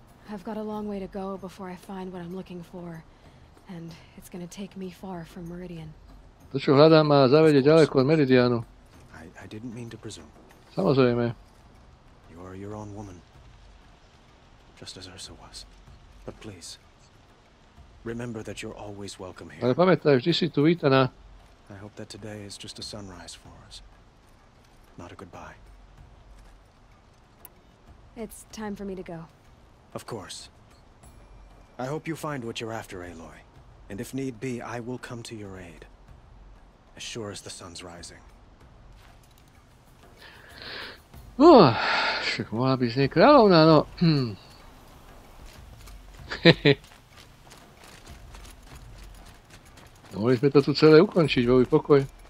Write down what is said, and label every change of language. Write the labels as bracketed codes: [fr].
[en] I've got a long way to go before I find what I'm looking for. And it's gonna take me far from Meridian. [sk] To, čo hľadám, ma zavede ďaleko od Meridianu. [en] I didn't mean to presume. [sk] Samozrejme. [en] You are your own woman. Just as Ursa was. But please. Remember that you're always welcome here. [sk] Ale pamätaj, vždy si tu vítaná. [en] I hope that today is just a sunrise for us. Not a goodbye. It's time for me to go. Of course. I hope you find what you're after, Aloy. And if need be, I will come to your aid. As sure as the sun's rising. [sk] Však mohla byť z nej kráľovná, no. Mohli sme to tu celé ukončiť, bol by pokoj.